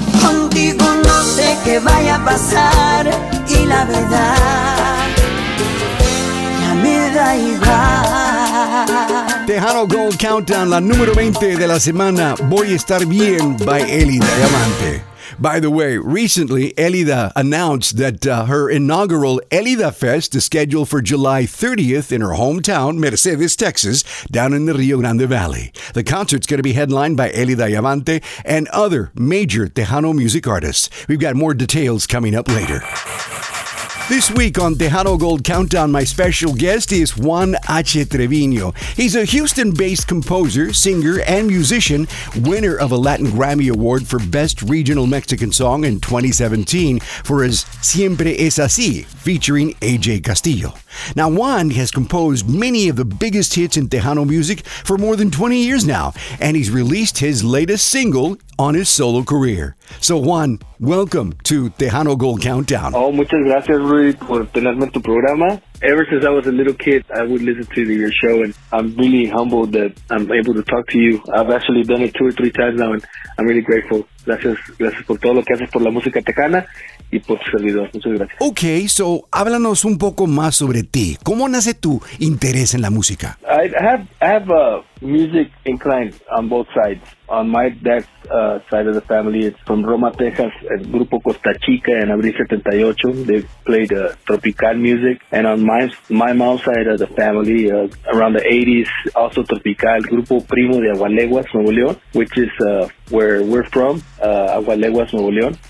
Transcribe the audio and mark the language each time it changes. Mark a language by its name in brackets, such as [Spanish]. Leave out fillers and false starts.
[Spanish] Contigo no sé qué vaya a pasar y la verdad ya me da igual. Tejano Gold Countdown, la número 20 de la semana. Voy a estar bien by Eli Diamante. [English] By the way, recently, Elida announced that her inaugural Elida Fest is scheduled for July 30th in her hometown, Mercedes, Texas, down in the Rio Grande Valley. The concert's going to be headlined by Elida Diamante and other major Tejano music artists. We've got more details coming up later. This week on Tejano Gold Countdown, my special guest is Juan H. Treviño. He's a Houston-based composer, singer, and musician, winner of a Latin Grammy Award for Best Regional Mexican Song in 2017 for his Siempre Es Así, featuring AJ Castillo. Now, Juan has composed many of the biggest hits in Tejano music for more than 20 years now, and he's released his latest single on his solo career. So, Juan, welcome to Tejano Gold Countdown. [Spanish] Oh, muchas gracias, Rudy, por tenerme en tu programa. [English] Ever since I was a little kid, I would listen to your show, and I'm really humbled that I'm able to talk to you. I've actually done it 2 or 3 times now, and I'm really grateful. [Spanish] Gracias por todo lo que haces por la música tejana y por tu servidor. Muchas gracias. [English] Okay, so [Spanish] háblanos un poco más sobre ti. ¿Cómo nace tu interés en la música? [English] I have a music incline on both sides. On my dad's side of the family, it's from Roma, Texas, el grupo Costa Chica en Abril 78. They played tropical music. And on my mom's side of the family, around the 80s, also tropical, grupo Primo de Agualeguas, Nuevo León, which is where we're from, Agualeguas, Nuevo León.